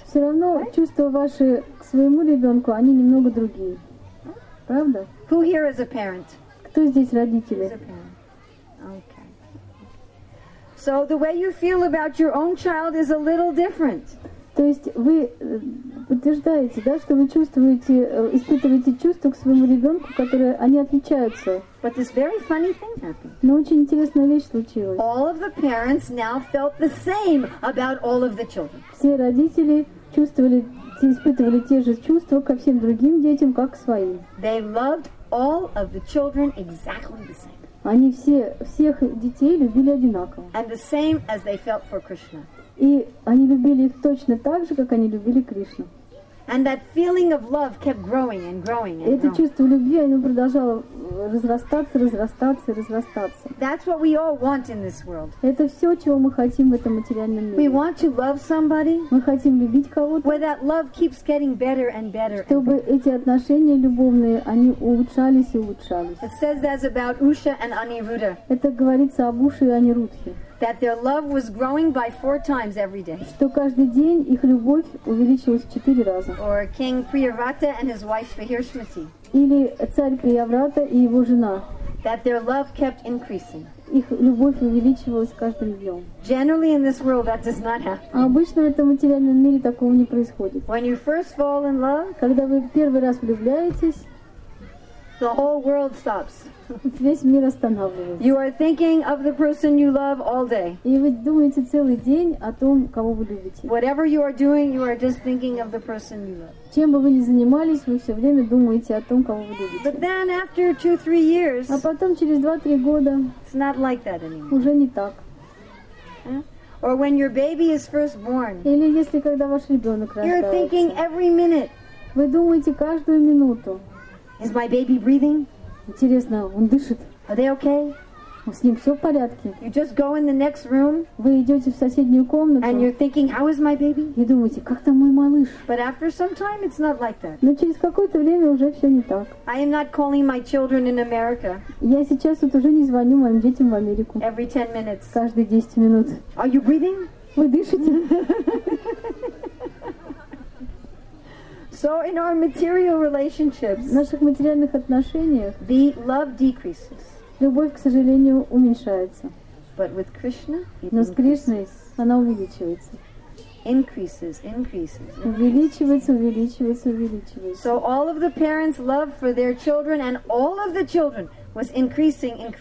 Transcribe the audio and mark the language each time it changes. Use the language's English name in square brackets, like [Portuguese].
[Russian] Все равно чувства ваши к своему ребенку, они немного другие. Правда? [English] Who here is a parent? [Russian] Кто здесь родители? [English] Okay. So the way you feel about your own child is a little different. [Russian] То есть вы подтверждаете, да, что вы чувствуете, испытываете чувства к своему ребенку, которые они отличаются. [English] But this very funny thing happened. [Russian] Но очень интересная вещь случилась. [English] All of the parents now felt the same about all of the children. [Russian] Все родители чувствовали, испытывали те же чувства ко всем другим детям, как к своим. [English] They loved all of the children exactly the same. [Russian] Они все, всех детей любили одинаково. [English] And the same as they felt for Krishna. [Russian] И они любили их точно так же, как они любили Кришну. [English] And that feeling of love kept growing and growing and growing. [Russian] Это чувство любви, оно продолжало разрастаться, разрастаться, разрастаться. [English] That's what we all want in this world. [Russian] Это все, чего мы хотим в этом материальном мире. [English] We want to love somebody. [Russian] Мы хотим любить кого-то. [English] Where that love keeps getting better and better. [Russian] Чтобы эти отношения любовные, они улучшались и улучшались. [English] It says that's about Usha and Aniruddha. [Russian] Это говорится об Уше и Анирудхе. [English] That their love was growing by 4 times every day. [Russian] Что каждый день их любовь увеличилась в 4 раза. [English] Or King Priyavrata and his wife Vihirshmati. [Russian] Или царь Приаврата и его жена. [English] That their love kept increasing. [Russian] Их любовь увеличивалась каждым днем. [English] Generally in this world that does not happen. [Russian] А обычно в этом материальном мире такого не происходит. [English] When you first fall in love, [Russian] когда вы первый раз влюбляетесь, [English] the whole world stops. [Russian] Весь мир останавливается. [English] You are thinking of the person you love all day. [Russian] И вы думаете целый день о том, кого вы любите. [English] Whatever you are doing, you are just thinking of the person you love. [Russian] Чем бы вы ни занимались, вы все время думаете о том, кого вы любите. [English] But then after 2-3 years, [Russian] а потом через 2-3 года, [English] it's not like that anymore. [Russian] Уже не так. [English] Or when your baby is first born, [Russian] или если когда ваш ребенок рождается, [English] you're thinking every minute. [Russian] Вы думаете каждую минуту. [English] Is my baby breathing? [Russian] Интересно, он дышит? [English] Are they okay? [Russian] С ним все в порядке? [English] You just go in the next room. [Russian] Вы идете в соседнюю комнату. [English] And you're thinking, how is my baby? [Russian] И думаете, как там мой малыш? [English] But after some time, it's not like that. [Russian] Но через какое-то время уже все не так. [English] I am not calling my children in America. [Russian] Я сейчас вот уже не звоню моим детям в Америку. [English] Every 10 minutes. [Russian] Каждые 10 минут. [English] Are you breathing? [Russian] Вы дышите? [English] So in our material relationships, [Russian] в наших материальных отношениях, [English] the love decreases. [Russian] Любовь, к сожалению, уменьшается. [English] But with Krishna, it [Russian] но с Кришной она увеличивается. [English] Increases. [Russian] Увеличивается. [English] So all of the parents' love for their children and all of the children was increasing.